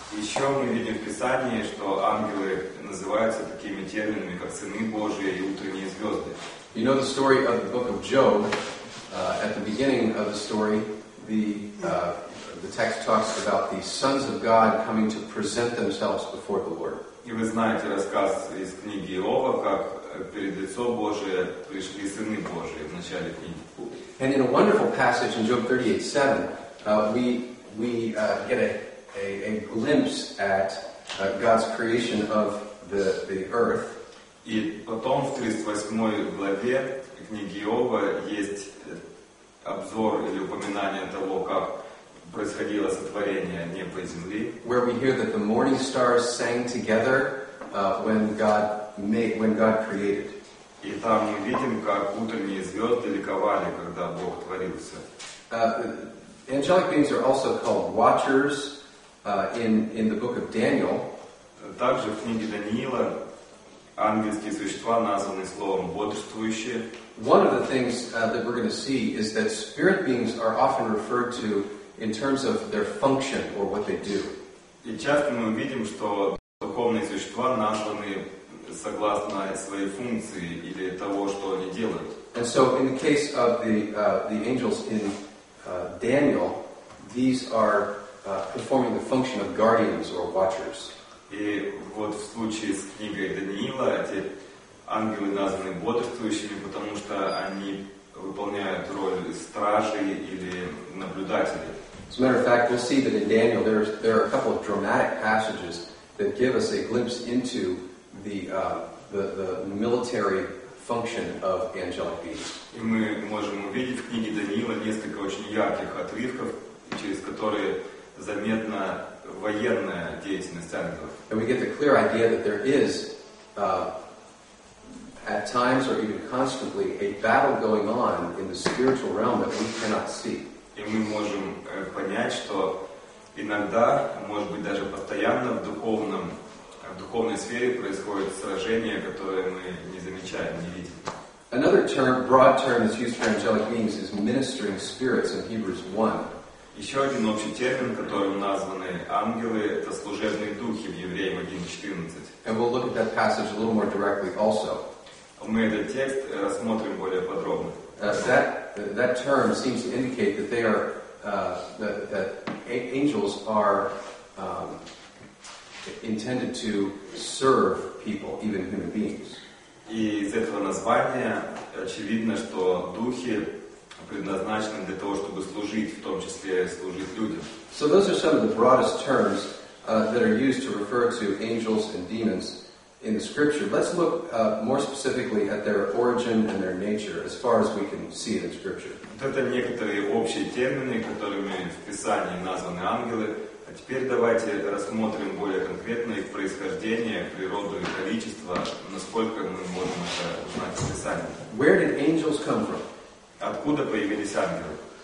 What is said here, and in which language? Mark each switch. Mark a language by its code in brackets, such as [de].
[ru] Еще мы видим в Писании, что ангелы называются такими терминами, как сыны Божьи и утренние звезды. [en] You know the story of the book of Job. At the beginning of the story, the text talks about the sons of God coming to present themselves before the Lord. [ru] И вы знаете рассказ из книги Иова, как перед лицо Божие пришли сыны Божьи в начале книги. [en] And in a wonderful passage in Job 38:7, we get a glimpse at God's creation of the earth. [ru] И потом в 38 главе книги Иова есть обзор или упоминание того, как происходило сотворение неба и земли. [en] Where we hear that the morning stars sang together when God created. [ru] И там мы видим, как утренние звезды ликовали, когда Бог творился. [en] Angelic beings are also called watchers in the book of Daniel. [ru] Также в книге Даниила ангельские существа названы словом бодрствующие. [en] One of the things that we're going to see is that spirit beings are often referred to in terms of their function or what they do. [ru] И часто мы увидим, что духовные существа названы согласно своей функции или того, что они делают. [en] And so in the case of the angels in Daniel, these are performing the function of guardians or watchers. [ru] И вот в случае с книгой Даниила эти ангелы названы бодрствующими, потому что они выполняют роль стражей или наблюдателей. [en] As a matter of fact, we'll see that in Daniel there are a couple of dramatic passages that give us a glimpse into the military function of angelic beings. [ru] И мы можем увидеть в книге Даниила несколько очень ярких отрывков, через которые заметна военная деятельность ангелов. [en] And we get the clear idea that there is at times or even constantly a battle going on in the spiritual realm that we cannot see. [ru] И мы можем понять, что иногда, может быть, даже постоянно в духовной сфере происходит сражение, которое мы не замечаем, не видим. [en] Another term, broad term that's used for angelic beings is ministering spirits in Hebrews 1. [ru] Еще один общий термин, которым названы ангелы, это служебные духи в Евреям 1.14. [en] And we'll look at that passage a little more directly also. [ru] Мы этот текст рассмотрим более подробно. [en] That term seems to indicate that they are that angels are intended to serve people, even human beings. [ru] И из этого названия очевидно, что духи предназначены для того, чтобы служить, в том числе служить людям. [en] So those are some of the broadest terms that are used to refer to angels and demons in the scripture. Let's look more specifically at their origin and their nature, as far as we can see it in scripture. [ru] Вот это некоторые общие термины, которыми в Писании названы ангелы. А теперь давайте рассмотрим более конкретно их происхождение, природу и количество, насколько мы можем это узнать в Писании. [en] Where did angels come from? [ru] Откуда появились ангелы?